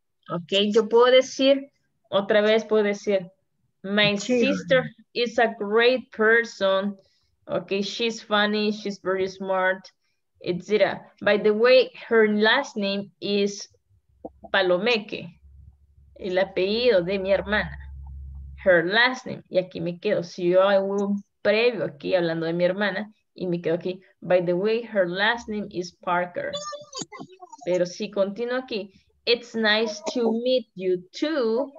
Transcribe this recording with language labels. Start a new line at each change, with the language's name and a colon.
Spanish: Ok, yo puedo decir, otra vez puedo decir,
English: my sister is a great person. Okay, she's funny, she's very smart, etc. By the way, her last name is Palomeque.
Spanish: El apellido de mi hermana.
English: Her last name.
Spanish: Y aquí me quedo. Si yo hago un previo aquí hablando de mi hermana, y me quedo aquí.
English: By the way, her last name is Parker.
Spanish: Pero si continúo aquí,
English: it's nice to meet you too.